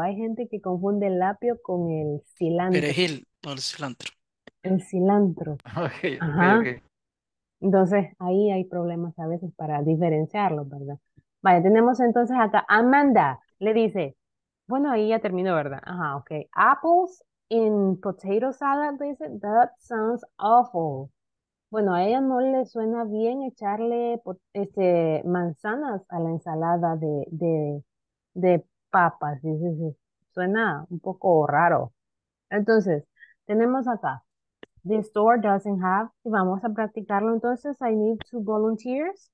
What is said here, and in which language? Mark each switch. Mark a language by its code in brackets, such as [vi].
[es] Hay gente que confunde el apio con el cilantro. Perejil, no el cilantro. El cilantro. Okay. Entonces, ahí hay problemas a veces para diferenciarlo, ¿verdad? Vaya, tenemos entonces acá, Amanda le dice, bueno, ahí ya terminó, ¿verdad? Ajá, ok. [en] Apples in potato salad, [es] dice, [en] that sounds awful. [es] Bueno, a ella no le suena bien echarle manzanas a la ensalada de papas, dice, sí. Suena un poco raro. Entonces, tenemos acá, [en] the store doesn't have, [es] y vamos a practicarlo entonces, [en] I need two volunteers.